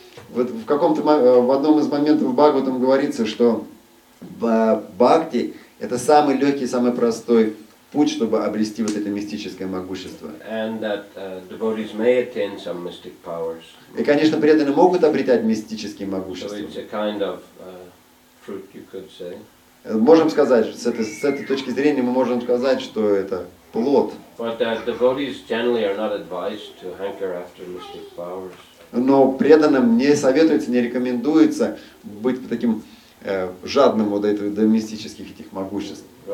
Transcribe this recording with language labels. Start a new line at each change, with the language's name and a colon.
Russian: Вот в каком-то в одном из моментов в Бхагаватам говорится, что бхакти это самый легкий, самый простой путь, чтобы обрести вот это мистическое могущество.
English: And that, devotees may attain some mystic powers.
Russian: И, конечно, преданные могут обретать мистические могущества.
English: So it's a kind of, fruit, you could say.
Russian: Можем сказать, с этой точки зрения мы можем сказать, что это плод.
English: But, devotees generally are not advised to hanker after mystic powers.
Russian: Но преданным не советуется, не рекомендуется быть таким жадным вот этого, до мистических этих могуществ.